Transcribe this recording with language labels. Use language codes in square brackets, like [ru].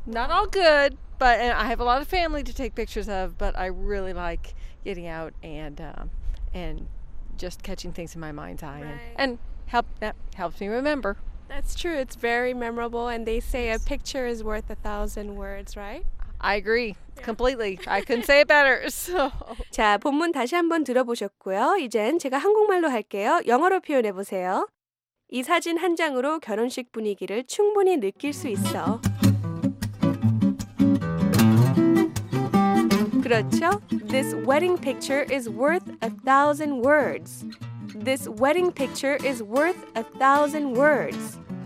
[en] Not all good, but I have a lot of family to take pictures of, but I really like getting out and just catching things in my mind's eye. Right. That helps me remember. That's true. It's very memorable. And they say yes. A picture is worth a thousand words, right? I agree. Yeah. Completely. I couldn't say it better. So. [ko] 자, 본문 다시 한번 들어보셨고요. 이젠 제가 한국말로 할게요. 영어로 표현해 보세요. 이 사진 한 장으로 결혼식 분위기를 충분히 느낄 수 있어. 그렇죠? [en] This wedding picture is worth a thousand words. This wedding picture is worth a thousand words.